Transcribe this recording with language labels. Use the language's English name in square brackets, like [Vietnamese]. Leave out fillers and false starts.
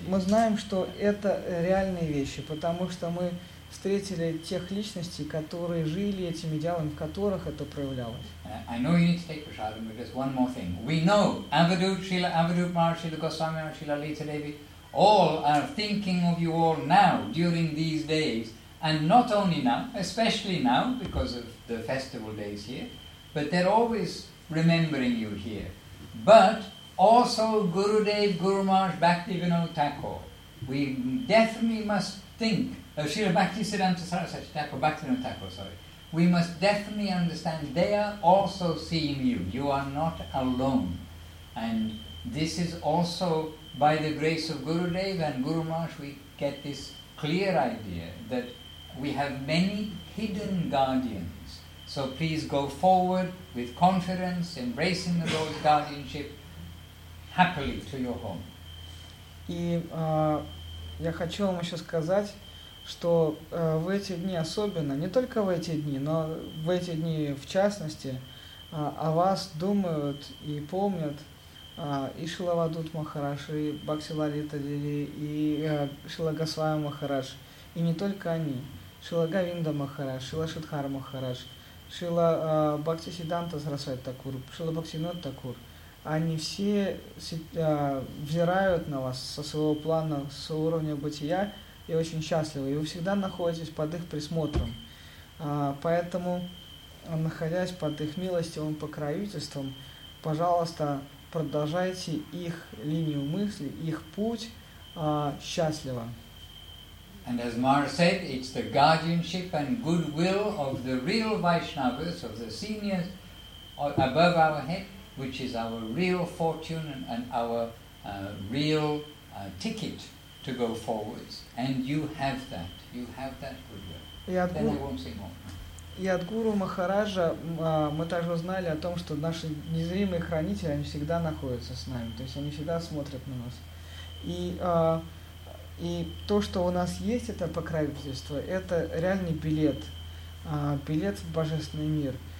[Russian] Мы знаем, что это реальные вещи, потому что мы встретили тех личностей, которые жили этими идеалами, в которых это проявлялось. [English] I know you need to take prasadam, but just one more thing. We know Avadhut, Srila Avadhut Maharaj, Srila Goswami, Srila Lita Devi, all are thinking of you all now, during these days, and not only now, especially now, because of the festival days here, but they're always remembering you here. But also Gurudev, Guru Maharaj, Bhaktivinoda Thakur. We definitely must think of Srila Bhaktisiddhanta Saraswati Thakur, Bhaktivinoda Thakur, sorry. We must definitely understand they are also seeing you. You are not alone. And this is also by the grace of Gurudev and Guru Maharaj, we get this clear idea that we have many hidden guardians. So please go forward with confidence, embracing the Lord's guardianship happily to your home. [Russian] И я хочу вам еще сказать, что в эти дни особенно, не только в эти дни, но в эти дни в частности, о вас думают и помнят и Шрила Авадхут Махарадж, и Бхакти Лалита Деви, и Шрила Госвами Махарадж, и не только они, Шрила Говинда Махарадж, Шрила Шридхар Махарадж, Шрила Бхактисиддханта Сарасвати Такур, Шрила Бхактивинода Такур, они все взирают на вас со своего плана, со уровня бытия, и очень счастливы, и вы всегда находитесь под их присмотром. Поэтому, находясь под их милостивым покровительством, пожалуйста, продолжайте их линию мысли, их путь счастливо. [English] And as Maharaj said, it's the guardianship and goodwill of the real Vaishnavas, of the seniors above our head, which is our real fortune and our real ticket to go forwards, and you have that. You have that goodwill. Then they won't say more. [Russian] И от Гуру Махараджа мы также узнали о том, что наши незримые хранители, они всегда находятся с нами, то есть они всегда смотрят на нас. И то, что у нас есть, это покровительство, это реальный билет, билет в божественный мир.